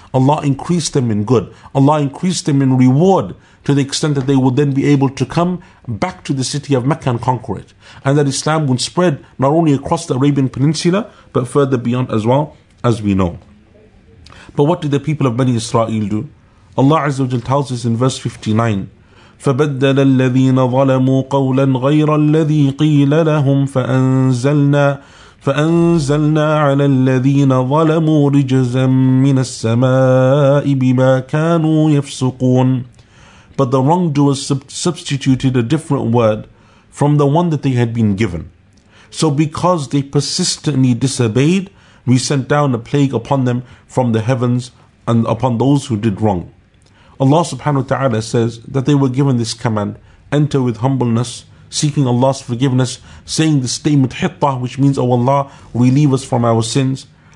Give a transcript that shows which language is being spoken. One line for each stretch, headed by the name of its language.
English: Allah increased them in good. Allah increased them in reward to the extent that they would then be able to come back to the city of Mecca and conquer it. And that Islam would spread not only across the Arabian Peninsula, but further beyond as well, as we know. But what did the people of Bani Israel do? Allah Azza wa Jalla tells us in verse 59,
Arabic: فبدل الذين ظلموا قولا غير الذي قيل لهم فأنزلنا على الذين ظلموا رجزا من السماء بما كانوا يفسقون.
English: But the wrongdoers substituted a different word from the one that they had been given. So because they persistently disobeyed, we sent down a plague upon them from the heavens and upon those who did wrong. Allah subhanahu wa ta'ala says that they were given this command, enter with humbleness, seeking Allah's forgiveness, saying the statement hitta, which means, oh Allah, relieve us from our sins.